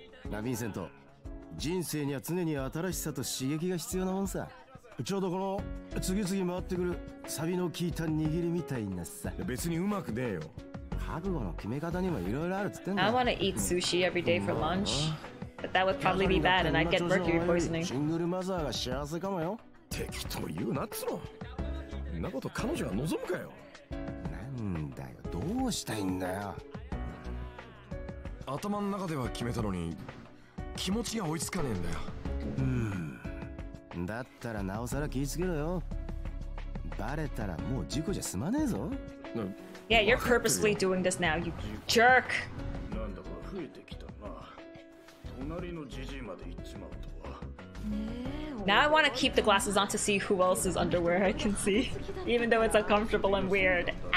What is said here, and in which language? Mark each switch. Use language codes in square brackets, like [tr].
[ja] な、ヴィンセント、人生には常に新しさと刺激が必要なもんさ。ちょうどこの次々回ってくるサビの効いた握りみたいなさ。別にうまくねえよ。覚悟の決め方にもいろいろあるっつってんだ。 [en] I wanna eat sushi every day for lunch, but that would probably be bad and I'd get mercury poisoning. [ja] シングルマザーが幸せかもよ。適当言うなっつろ。んなこと彼女が望むかよ。なんだよ、どうしたいんだよ。頭の中では決めたのに気持ちが追いつかねえんだよ。だったらなおさら気ぃつけろよ。バレたらもう事故じゃ済まねえぞ。 [en] Yeah, you're purposely doing this now, you jerk! [ja] なんだか増えてきたな。隣のジジイまで行っちまうとは。 [en] Now I want to keep the glasses on to see who else's underwear I can see, even though it's uncomfortable and weird.